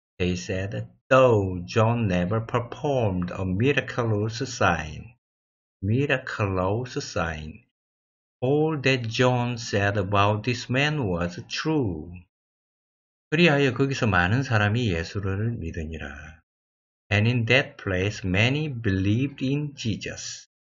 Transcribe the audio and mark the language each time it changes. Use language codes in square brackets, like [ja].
[en] They said, though John never performed a miraculous sign. Miraculous sign. All that John said about this man was true. [ko] 그리하여 거기서 많은 사람이 예수를 믿으니라. [en] And in that place many believed in Jesus.